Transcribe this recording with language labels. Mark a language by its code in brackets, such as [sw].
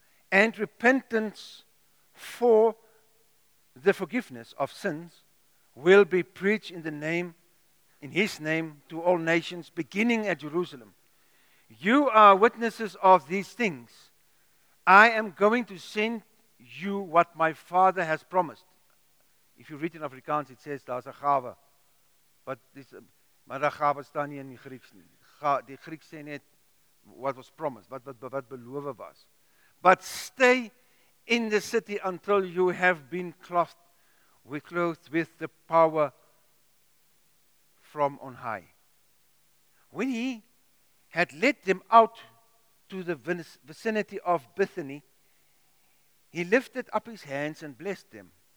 [en] And repentance for the forgiveness of sins will be preached in his name to all nations, beginning at Jerusalem. You are witnesses of these things. I am going to send you what my Father has promised." If you read in Afrikaans, it says, [af] "Daar's 'n gawe." But die gawe staan nie in die Grieks nie. Die Grieks sê net, [en] what was promised, [af] wat beloof was. [en] But stay in the city until you have been clothed with the power from on high. When he had led them out to the vicinity of Bethany, he lifted up his hands and blessed them.